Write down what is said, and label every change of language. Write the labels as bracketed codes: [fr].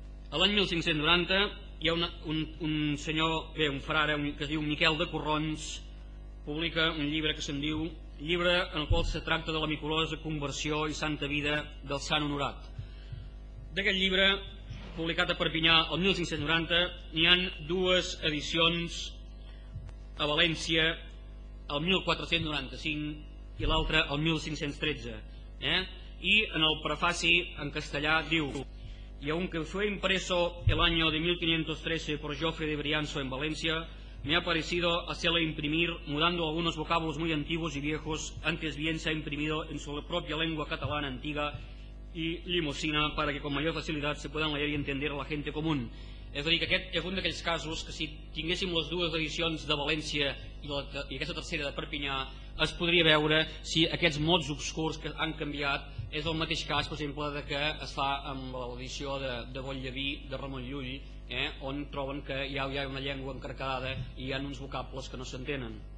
[ca] A l'any 1590 hi ha un frare que es diu Miquel de Corrons, publica un llibre que se'n diu llibre en el qual se tracta de la miraculosa conversió i santa vida del Sant Honorat. D'aquest llibre, publicat a Perpinyà el 1590, n'hi han dues edicions a València el 1495 i l'altra el 1513. I en el prefaci en castellà diu: [es] y aunque fue impreso el año de 1513 por Jofre de Brianzo en València, me ha parecido hacerle imprimir, mudando algunos vocábulos muy antiguos y viejos, antes bien se ha imprimido en su propia lengua catalana antigua y limosina, para que con mayor facilidad se puedan leer y entender a la gente común. [ca] És a dir, que aquest és un d'aquells casos que, si tinguéssim les dues edicions de València i aquesta tercera de Perpinyà, es podria veure si aquests mots obscurs que han canviat és el mateix cas, per exemple, de que es fa amb l'edició de Bonlleví, de Ramon Llull, on troben que hi ha una llengua encarcadada i hi ha uns vocables que no s'entenen.